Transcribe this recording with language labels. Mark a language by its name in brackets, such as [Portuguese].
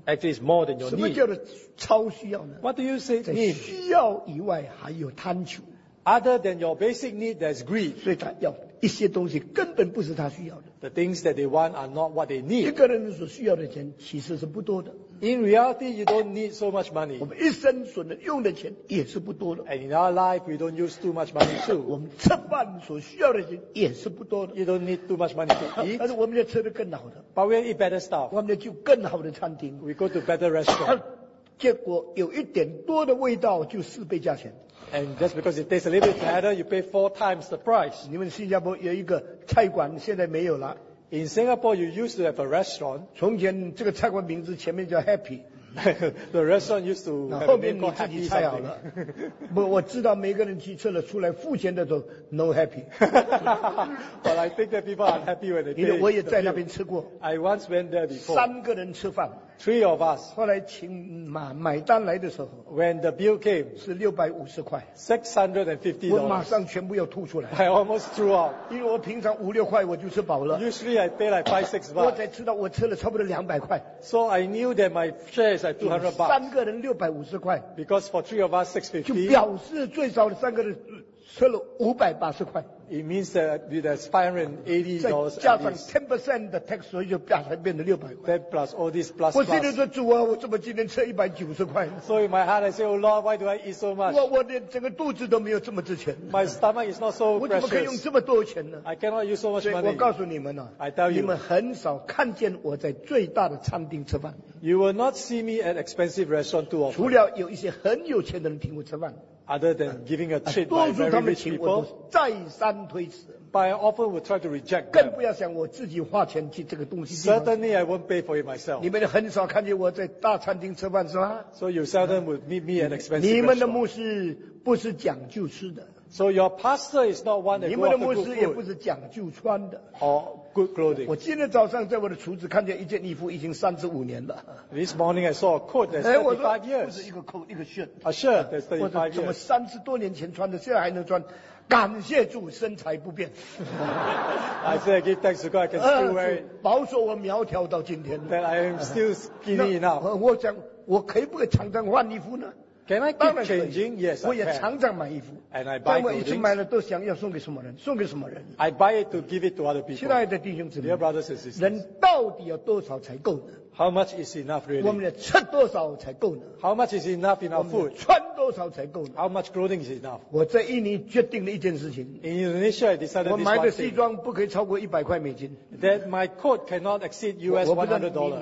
[English] ，actually is more than your need。 [Chinese] 什么叫做超需要呢 [English] ？What do you say？ [Chinese] 在需要以外还有贪求 [English] ，other than your basic need, there's greed。 [Chinese] 所以他要一些东西根本不是他需要的。 [English] The things that they want are not what they need。 [Chinese] 一个人所需要的钱其实是不多的。 [English] In reality, you don't need so much money. [Chinese] 我们一生所能用的钱也是不多的。 [English] And in our life, we don't use too much money too. [Chinese] 我们吃饭所需要的钱也是不多的。 [English] You don't need too much money to eat. [Chinese] 但是我们要吃得更好的。 [English] But we'll eat better stuff. [Chinese] 我们要去更好的餐厅。 [English] We go to better restaurant. [Chinese] 结果有一点多的味道就四倍价钱。 [English] And just because it tastes a little bit better, you pay four times the price. [Chinese] 你们新加坡有一个菜馆现在没有了。 [English] In Singapore, you used to have a restaurant. [Chinese] 从前这个菜馆名字前面叫 Happy. [English] The restaurant used to have a name called Happy something. [Chinese] 后面你自己猜好了。不，我知道每个人去吃了出来付钱的都 [English] no happy. But I think that people are happy when they pay. [Chinese] 我也在那边吃过。 [English] I once went there before. [Chinese] 三个人吃饭。 [English] Three of us. [Chinese] 后来请买单来的时候 [English] ，When the bill came, [Chinese] 是650块。 [English] 650. [Chinese] 我马上全部要吐出来。 [English] I almost threw out. [Chinese] 因为我平常5-6块我就吃饱了。 [English] Usually I pay like $5-6. [Chinese] 我才知道我吃了差不多200块。 [English] So I knew that my share is like $200. [Chinese] 三个人650块。 [English] Because for three of us $650. [Chinese] 就表示最少的三个人吃了580块。 [English] It means that there's $580 at least. [Chinese] 加上 10% 的 tax， 所以就变成600块。 [English] That plus all this plus. [Chinese] 我心里说主啊，我怎么今天吃190块？ [English] So in my heart I say, Oh Lord, why do I eat so much？ [Chinese] 我连整个肚子都没有这么值钱。 [English] My stomach is not so precious. [Chinese] 我怎么可以用这么多钱呢？ [English] I cannot use so much money. [Chinese] 我告诉你们啊， [English] I tell you， [Chinese] 你们很少看见我在最大的餐厅吃饭。 [English] You will not see me at expensive restaurant too often. [Chinese] 除了有一些很有钱的人请我吃饭。 [English] Other than giving a treat to very rich people, [Chinese] 请我都再三推辞。 [English] But I often would try to reject them. [Chinese] 更不要想我自己花钱去这个东西。 [English] Certainly, I won't pay for it myself. [Chinese] 你们很少看见我在大餐厅吃饭是吗 [English] ？So you seldom would meet me at expensive restaurant. [Chinese] 你们的牧师不是讲究吃的。 [English] So your pastor is not one that goes for good food. [Chinese] 你们的牧师也不是讲究穿的。 [English] Or good clothing. [Chinese] 我今天早上在我的橱子看见一件衣服已经35年了。 [English] This morning I saw a coat that's 35 years. [Chinese] 不是一个 coat， 一个 shirt. [English] A shirt that's 35 years. [Chinese] 我怎么30多年前穿的，现在还能穿？感谢主，身材不变。 [English] I say I give thanks to God, I can still wear it. [Chinese] 保守我苗条到今天。 [English] That I am still skinny enough. [Chinese] 我讲，我可以不可以常常换衣服呢？ [English] Can I keep changing? Yes, I can. [Chinese] 我也常常买衣服。 [English] And I buy clothing. [Chinese] 但我一直买了都想要送给什么人？送给什么人 [English] ？I buy it to give it to other people. [Chinese] 亲爱的弟兄姊妹 [English] ，Dear brothers and sisters, [Chinese] 人到底要多少才够呢 [English] ？How much is enough, really? [Chinese] 我们要吃多少才够呢 [English] ？How much is enough in our food? [Chinese] 我们穿多少才够呢 [English] ？How much clothing is enough? [Chinese] 我在印尼决定了一件事情。 [English] In Indonesia, I decided this one thing. [Chinese] 我买的西装不可以超过$100。 [English] That my coat cannot exceed US$100.